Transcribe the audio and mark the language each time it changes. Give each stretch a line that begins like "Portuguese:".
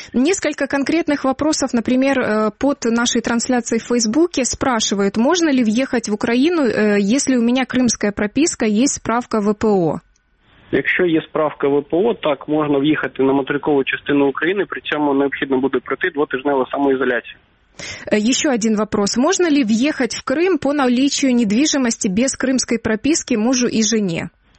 Russian: Несколько конкретных вопросов, например, под нашей трансляцией в Фейсбуке спрашивают, можно ли въехать в Украину, если у меня крымская прописка, есть справка ВПО?
Ukrainian: Якщо є справка ВПО, так, можна въехати на материкову частину України, при цьому необхідно буде пройти двотижневу самоізоляцію.
Russian: Еще один вопрос. Можно ли въехать в Крым по наличию недвижимости без крымской прописки мужу и жене?